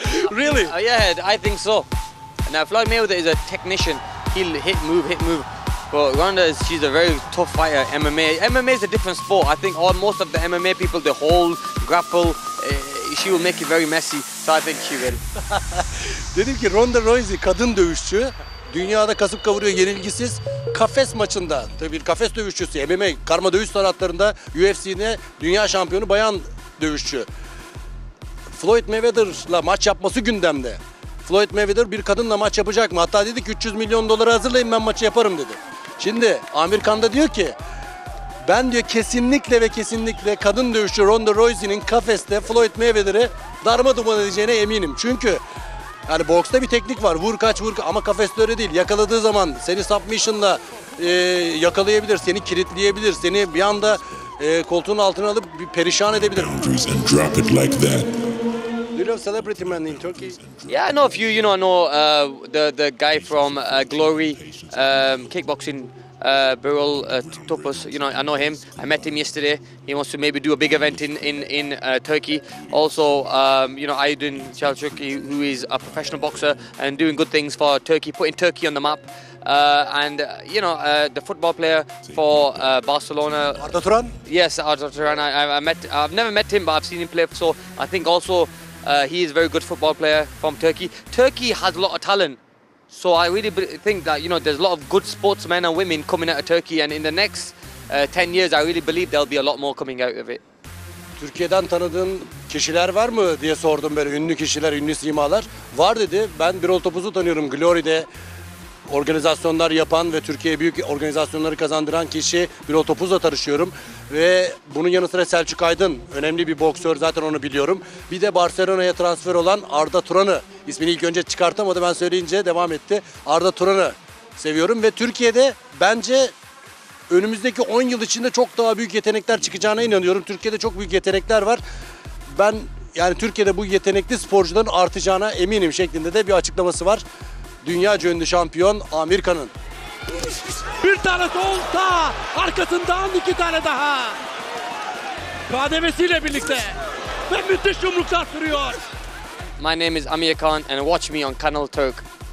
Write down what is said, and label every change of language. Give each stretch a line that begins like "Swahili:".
English: Really? Yeah, I think so. Now, Floyd Mayweather is a technician. He'll hit, move, hit, move. But Ronda, she's a very tough fighter, MMA. MMA is a different sport. I think all, most of the MMA people, they hold, grapple. She will make it very messy. So I think she will.
Turkish: Dedim ki Ronda Rousey kadın dövüşçü. Dünyada kasıp kavuruyor yenilgisiz. Kafes maçında, tabii bir kafes dövüşçüsü. MMA, karma dövüş sanatlarında UFC'ne dünya şampiyonu bayan dövüşçü. Floyd Mayweather'la maç yapması gündemde. Floyd Mayweather bir kadınla maç yapacak mı? Hatta dedik 300 milyon doları hazırlayın ben maçı yaparım dedi. Şimdi Amir Khan da diyor ki ben diyor kesinlikle ve kesinlikle kadın dövüşçü Ronda Rousey'nin kafeste Floyd Mayweather'ı darma duman edeceğine eminim. Çünkü yani boksta bir teknik var. Vur kaç vur ama kafeste öyle değil. Yakaladığı zaman seni submission'la yakalayabilir, seni kilitleyebilir, seni bir anda koltuğun altına alıp bir perişan edebilir.
English: Do you know celebrity man in Turkey? Yeah, I know a few. You know, I know the guy from Glory, kickboxing, Beryl Topos. You know, I know him. I met him yesterday. He wants to maybe do a big event in Turkey. Also, you know, Aydin Çalçuk, who is a professional boxer and doing good things for Turkey, putting Turkey on the map. You know, the football player for Barcelona. Arda Turan? Yes, Arda Turan. I've never met him, but I've seen him play. So I think also. He is a very good football player from Turkey. Turkey has a lot of talent. So I really think that, you know, there's a lot of good sportsmen and women coming out of Turkey. And in the next 10 years, I really believe there'll be a lot more coming out of it.
Turkish: Türkiye'den tanıdığın kişiler var mı diye sordum böyle ünlü kişiler, ünlü simalar. Var dedi. Ben Birol Topuz'u tanıyorum. Glory'de organizasyonlar yapan ve Türkiye'ye büyük organizasyonları kazandıran kişi Birol Topuz'la tanışıyorum. Ve bunun yanı sıra Selçuk Aydın, önemli bir boksör zaten onu biliyorum. Bir de Barcelona'ya transfer olan Arda Turan'ı, ismini ilk önce çıkartamadı ben söyleyince devam etti. Arda Turan'ı seviyorum ve Türkiye'de bence önümüzdeki 10 yıl içinde çok daha büyük yetenekler çıkacağına inanıyorum. Türkiye'de çok büyük yetenekler var. Ben yani Türkiye'de bu yetenekli sporcuların artacağına eminim şeklinde de bir açıklaması var. Dünya cönlü şampiyon Amir Khan'ın. Bir tane solta, arkasından iki tane daha. KDV'siyle birlikte ve müthiş yumruklar sürüyor.
English: My name is Amir Khan and watch me on Kanal Türk.